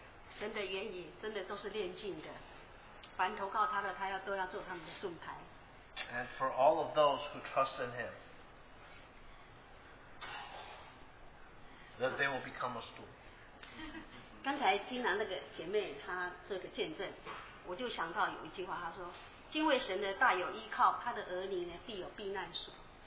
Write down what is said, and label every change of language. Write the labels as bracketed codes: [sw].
[zh] 神的言语真的都是炼净的，凡投靠他的，他要都要做他们的盾牌。 [en] And for all of those who trust in him, that they will become a stool. [zh] 刚才金兰那个姐妹她做个见证，我就想到有一句话，她说：“敬畏神的大有依靠，他的儿女呢必有避难所。”